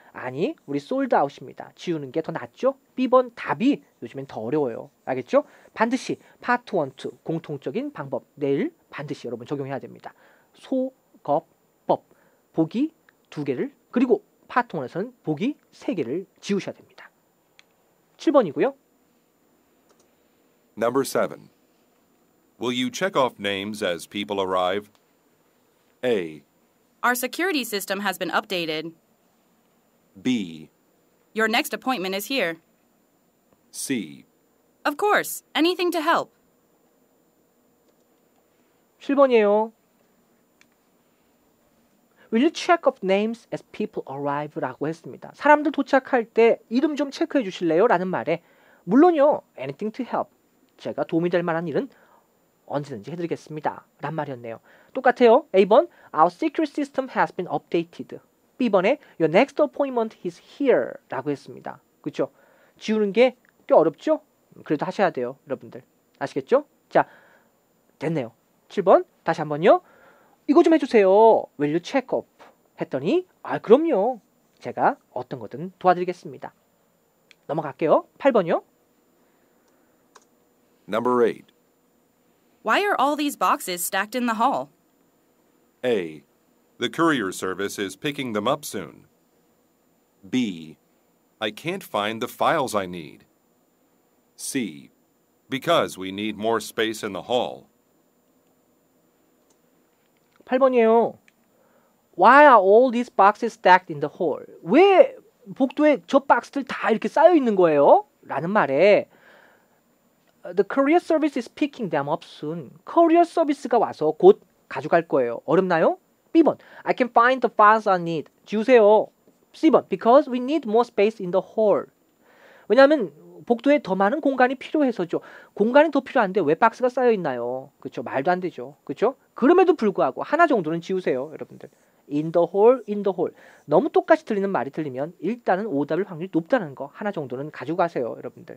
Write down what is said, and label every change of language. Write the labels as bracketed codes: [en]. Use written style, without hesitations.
[ko] 아니, 우리 솔드아웃입니다. 지우는 게 더 낫죠? B번 답이 요즘엔 더 어려워요. 알겠죠? 반드시 파트 1, 2 공통적인 방법 내일 반드시 여러분 적용해야 됩니다. 소거법 보기 두 개를 그리고 파트 1에서는 보기 세 개를 지우셔야 됩니다. 7번이고요. [en] Number 7. Will you check off names as people arrive? A. Our security system has been updated. B. Your next appointment is here. C. Of course, anything to help. [ko] 7번이에요. [en] Will you check off names as people arrive? [ko] 라고 했습니다. 사람들 도착할 때 이름 좀 체크해 주실래요? 라는 말에 물론요, [en] anything to help. [ko] 제가 도움이 될 만한 일은 언제든지 해드리겠습니다. 란 말이었네요. 똑같아요. A번, [en] Our security system has been updated. [ko] B번에 [en] Your next appointment is here [ko] 라고 했습니다. 그렇죠? 지우는 게 꽤 어렵죠? 그래도 하셔야 돼요, 여러분들. 아시겠죠? 자, 됐네요. 7번 다시 한번요. 이거 좀 해주세요. [en] Will you check up? [ko] 했더니 아, 그럼요. 제가 어떤 거든 도와드리겠습니다. 넘어갈게요. 8번요. [en] Number 8. Why are all these boxes stacked in the hall? A. The courier service is picking them up soon. B. I can't find the files I need. C. Because we need more space in the hall. [ko] 8번이에요. [en] Why are all these boxes stacked in the hall? [ko] 왜 복도에 저 박스들 다 이렇게 쌓여 있는 거예요? 라는 말에 [en] The courier service is picking them up soon. [ko] Courier service가 와서 곧 가져갈 거예요. 어렵나요? B번. [en] I can find the files I need. [ko] 지우세요. C번. [en] Because we need more space in the hall. [ko] 왜냐하면 복도에 더 많은 공간이 필요해서죠. 공간이 더 필요한데 왜 박스가 쌓여 있나요? 그렇죠. 말도 안 되죠. 그렇죠? 그럼에도 불구하고 하나 정도는 지우세요, 여러분들. [en] In the hall, in the hall. [ko] 너무 똑같이 들리는 말이 들리면 일단은 오답일 확률이 높다는 거 하나 정도는 가지고 가세요, 여러분들.